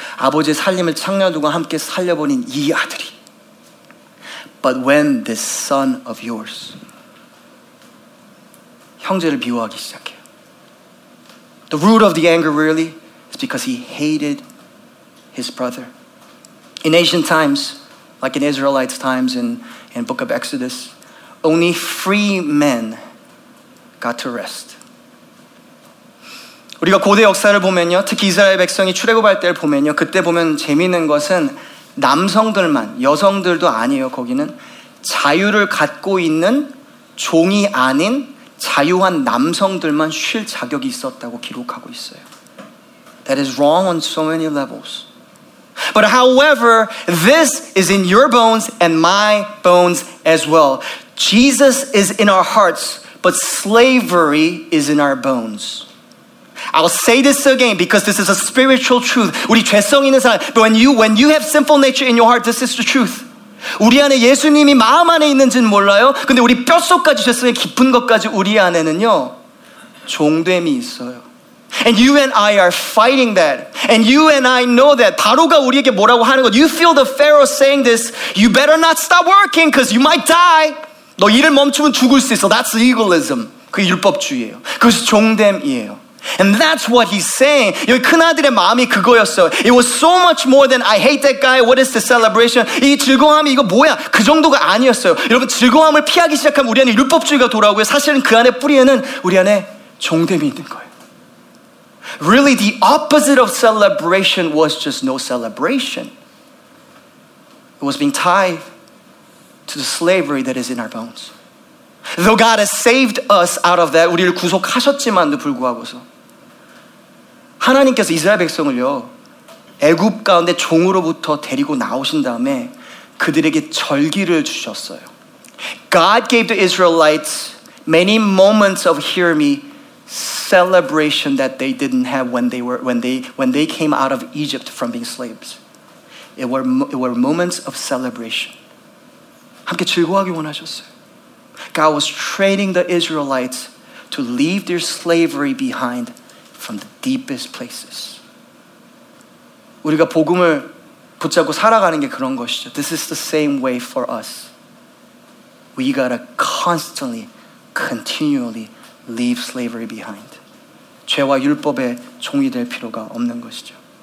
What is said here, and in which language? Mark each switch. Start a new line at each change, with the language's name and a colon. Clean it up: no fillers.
Korean: 아버지의 살림을 창녀들과 함께 살려버린 이 아들이.
English: But when this son of yours.
Korean: 형제를 미워하기 시작해요.
English: The root of the anger really is because he hated his brother. In ancient times, like in Israelites' times in Book of Exodus, only free men got to rest.
Korean: 우리가 고대 역사를 보면요, 특히 이스라엘 백성이 출애굽할 때를 보면요, 그때 보면 재미있는 것은 남성들만, 여성들도 아니에요, 거기는. 자유를 갖고 있는 종이 아닌 자유한 남성들만 쉴 자격이 있었다고 기록하고 있어요.
English: That is wrong on so many levels. But however, this is in your bones and my bones as well. Jesus is in our hearts, but slavery is in our bones. I'll say this again because this is a spiritual truth.
Korean: 우리 죄성이 있는 사람,
English: but when you have sinful nature in your heart, this is the truth.
Korean: 우리 안에 예수님이 마음 안에 있는지는 몰라요. 근데 우리 뼛속까지 죄성의 깊은 것까지 우리 안에는요, 종됨이 있어요.
English: And you and I are fighting that. And you and I know that.
Korean: 바로가 우리에게 뭐라고 하는 것.
English: You feel the Pharaoh saying this. You better not stop working because you might die.
Korean: 너 일을 멈추면 죽을 수 있어.
English: That's legalism.
Korean: 그게 율법주의예요. 그것이 종됨이에요.
English: And that's what he's saying.
Korean: 여기 큰아들의 마음이 그거였어요.
English: It was so much more than I hate that guy. What is the celebration?
Korean: 이 즐거움이 이거 뭐야? 그 정도가 아니었어요. 여러분 즐거움을 피하기 시작하면 우리 안에 율법주의가 돌아오고요. 사실은 그 안에 뿌리에는 우리 안에 종됨이 있는 거예요.
English: Really, the opposite of celebration was just no celebration. It was being tied to the slavery that is in our bones. Though God has saved us out of that,
Korean: 우리를 구속하셨지만도 불구하고서 하나님께서 이스라엘 백성을요 애굽 가운데 종으로부터 데리고 나오신 다음에 그들에게 절기를 주셨어요.
English: God gave the Israelites many moments of hear me. Celebration that they didn't have when they came out of Egypt from being slaves. It were moments of celebration.
Korean: 함께 즐거워하기 원하셨어요.
English: God was training the Israelites to leave their slavery behind from the deepest places.
Korean: 우리가 복음을 붙잡고 살아가는 게 그런 것이죠.
English: This is the same way for us. We gotta continually leave slavery behind.
Korean: 죄와 율법의 종이 될 필요가 없는 것이죠.